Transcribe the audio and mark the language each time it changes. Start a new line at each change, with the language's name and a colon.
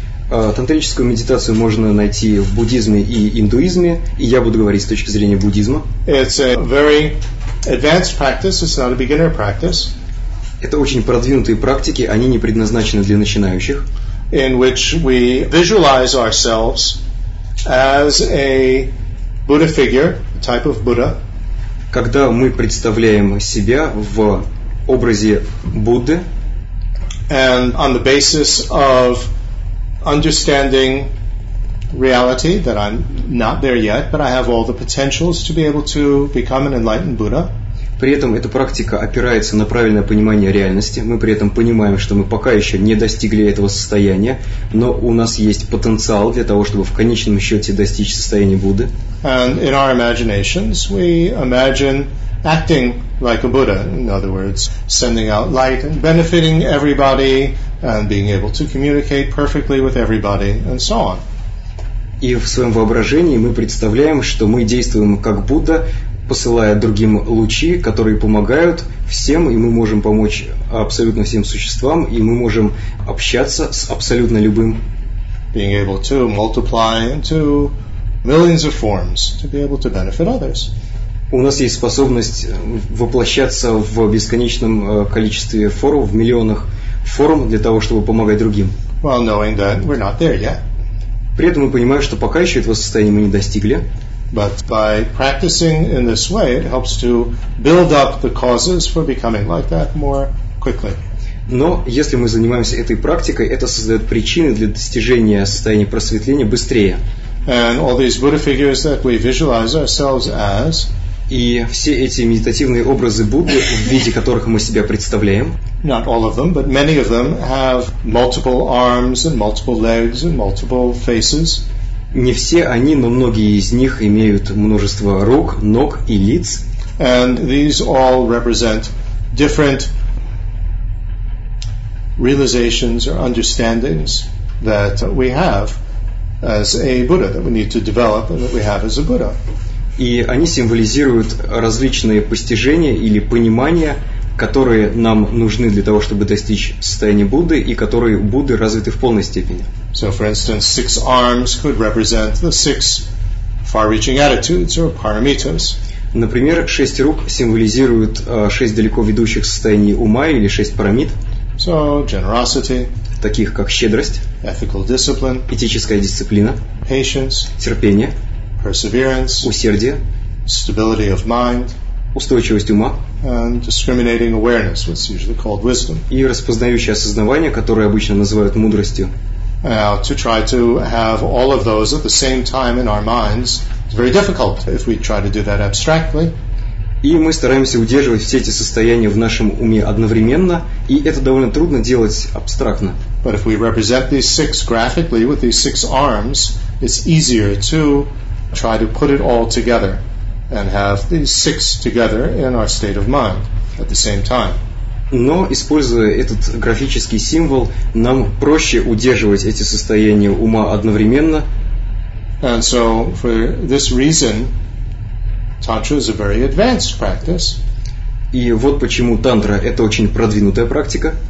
Russian: Тантрическую медитацию можно найти в буддизме и индуизме, и я буду говорить с точки зрения буддизма.
English: It's a very advanced practice, it's not a beginner practice.
Russian: Это очень продвинутые практики, они не предназначены для начинающих.
English: In which we visualize ourselves as a Buddha figure, a type of Buddha.
Russian: Когда мы представляем себя в образе Будды.
English: And on the basis of understanding reality, that I'm not there yet, but I have all the potentials to be able to become an enlightened Buddha.
Russian: При этом эта практика опирается на правильное понимание реальности. Мы при этом понимаем, что мы пока еще не достигли этого состояния, но у нас есть потенциал для того, чтобы в конечном счете достичь состояния Будды.
English: And in our imaginations, we imagine acting like a Buddha, in other words, sending out light and benefiting everybody, and being able to communicate perfectly with everybody, and so on.
Russian: И в своем воображении мы представляем, что мы действуем как Будда, посылая другим лучи, которые помогают всем, и мы можем помочь абсолютно всем существам, и мы можем общаться с абсолютно любым.
English: Being able to multiply into millions of forms to be able to benefit others.
Russian: У нас есть способность воплощаться в бесконечном количестве форм, в миллионах форм для того, чтобы помогать другим.
English: Well, knowing that we're not there yet.
Russian: При этом мы понимаем, что пока еще этого состояния мы не достигли.
English: But by practicing in this way, it helps to build up the causes for becoming like that more quickly.
Russian: Но если мы занимаемся этой практикой, это создает причины для достижения состояния просветления быстрее.
English: And all these Buddha figures that we visualize ourselves as.
Russian: И все эти медитативные образы Будды, в виде которых мы себя представляем.
English: Not all of them, but many of them have multiple arms and multiple legs and multiple faces.
Russian: Не все они, но многие из них имеют множество рук, ног и лиц.
English: And these all represent different realizations or understandings that we have as a Buddha, that we need to develop and that we have as a Buddha.
Russian: И они символизируют различные постижения или понимания, которые нам нужны для того, чтобы достичь состояния Будды, и которые у Будды развиты в полной степени.
English: So, for instance, six arms could represent the six far-reaching attitudes or paramitas.
Russian: Например, шесть рук символизируют шесть далеко ведущих состояний ума или шесть парамит.
English: So, generosity.
Russian: Таких как щедрость.
English: Ethical discipline.
Russian: Этическая дисциплина.
English: Patience.
Russian: Терпение.
English: Perseverance.
Russian: Усердие.
English: Stability of mind.
Russian: Устойчивость ума.
English: And discriminating awareness, what's usually called wisdom.
Russian: И распознающее осознавание, которое обычно называют мудростью.
English: Now, to try to have all of those at the same time in our minds is very difficult if we try to do that abstractly.
Russian: И мы стараемся удерживать все эти состояния в нашем уме одновременно, и это довольно трудно делать абстрактно.
English: But if we represent these six graphically with these six arms, it's easier to try to put it all together and have these six together in our state of mind at the same time.
Russian: Но, используя этот графический символ, нам проще удерживать эти состояния ума одновременно.
English: And so, for this reason, Tantra is a very advanced practice.
Russian: И вот почему тантра – это очень продвинутая практика.